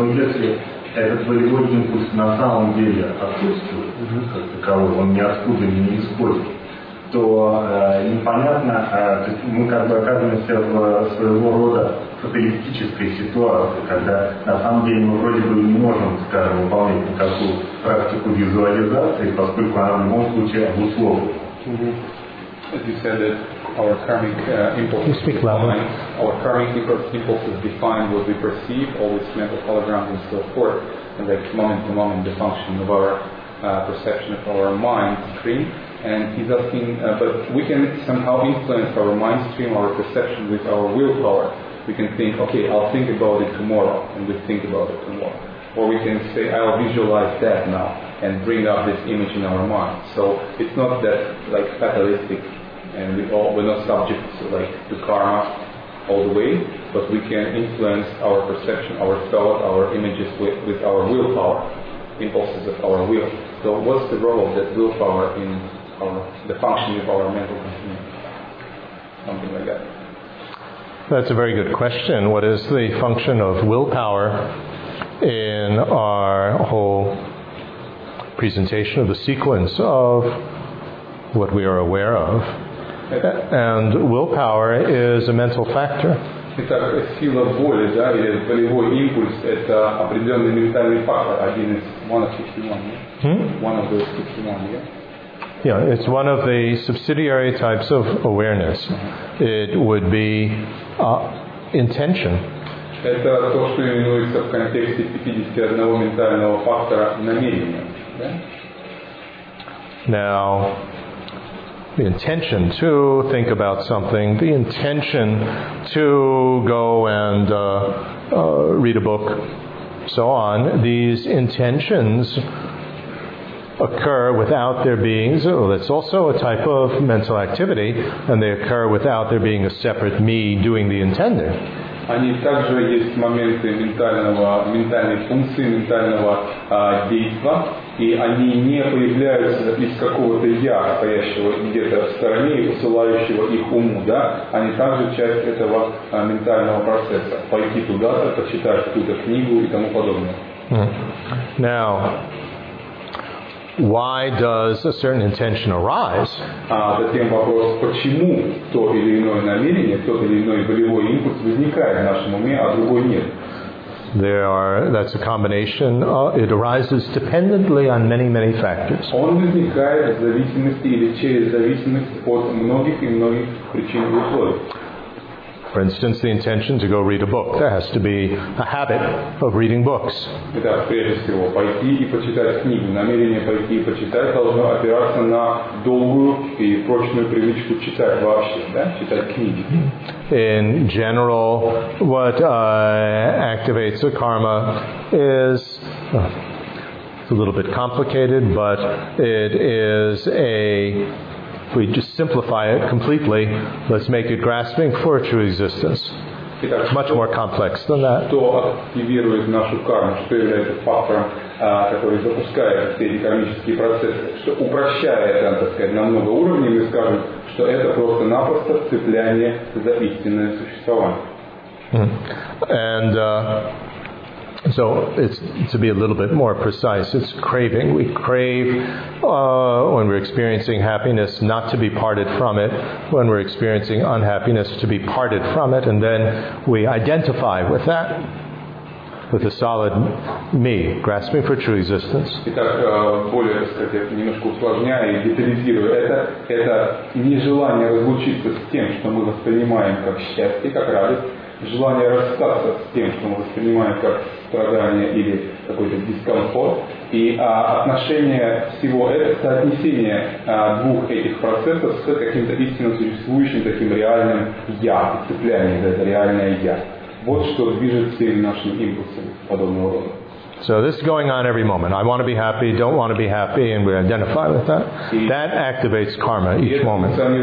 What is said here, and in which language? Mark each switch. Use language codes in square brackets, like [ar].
[ru] Но если этот волевой импульс на самом деле отсутствует, как таковой, он ниоткуда не исходит, то непонятно, то есть мы как бы оказываемся в своего рода фаталистической ситуации, когда на самом деле мы вроде бы не можем, скажем, выполнять никакую практику визуализации, поскольку она в любом случае обусловлена. [en] Our karmic impulse. You speak louder. Our karmic impulse is defined what we perceive, all these mental holograms and so forth, and like moment to moment the function of our perception of our mind stream. And he's asking, but we can somehow influence our mind stream, our perception with our willpower. We can think, okay, I'll think about it tomorrow, and we think about it tomorrow. Or we can say, I'll visualize that now, and bring up this image in our mind. So it's not that like fatalistic. And we're not subject to, like, to karma all the way, but we can influence our perception, our thought, our images with our willpower, impulses of our will. So what's the role of that willpower in the functioning of our mental conditioning? Something like that. That's a very good question. What is the function of willpower in our whole presentation of the sequence of what we are aware of? And willpower is a mental factor. [ru] Итак, сила воли, да, или волевой импульс, это определенный ментальный фактор. Один из [en] Yeah, it's one of the subsidiary types of awareness. It would be intention. [ru] Это то, что именуется в контексте 51 ментального фактора намерения. [en] Now. The intention to think about something, the intention to go and read a book, so on. These intentions occur without there being, so that's also a type of mental activity, and they occur without there being a separate me doing the intending. [ru] Они также есть моменты ментальной функции, ментального действа, и они не появляются из какого-то я, стоящего где-то в стороне и посылающего их уму, да? Они также часть этого ментального процесса. Пойти туда-то, почитать какую-то книгу и тому подобное. [en] Now, why does a certain intention arise? [ru] Затем вопрос, почему то или иное намерение, тот или иной волевой импульс возникает в нашем уме, а другой нет? [en] There are, that's a combination, it arises dependently on many, many factors. [ru] Он возникает в зависимости или через зависимость от многих и многих причин и условий. [en] For instance, the intention to go read a book. There has to be a habit of reading books. [ru] Итак, прежде всего, пойти и почитать книгу. Намерение пойти и почитать должно опираться на долгую и прочную привычку читать вообще, да? Читать книги. [en] In general, what activates a karma is, it's a little bit complicated, but it is a... If we just simplify it completely, let's make it grasping for true existence. [ru] Итак, [en] much [ru] что, [en] more complex than that. [ru] Что активирует нашу карму, что является фактором, который запускает все эти кармические процессы, что упрощает, так сказать, на много уровней, мы скажем, что это просто-напросто цепляние за истинное существование. [en] And so it's to be a little bit more precise, it's craving. We crave when we're experiencing happiness not to be parted from it, when we're experiencing unhappiness to be parted from it, and then we identify with that, with a solid me, grasping for true existence. [ru] Итак, более, так сказать, немножко усложняя и детализируя это нежелание разлучиться с тем, что мы воспринимаем как счастье, как радость. Желание расстаться с тем, что мы воспринимаем как страдание или какой-то дискомфорт, и отношение всего этого, соотнесение двух этих процессов с каким-то истинно существующим таким реальным «я», цепляние за это реальное «я». Вот что движет всеми нашими импульсами подобного рода. [en] So this is going on every moment. I want to be happy, don't want to be happy, and we identify with that. That activates karma each moment.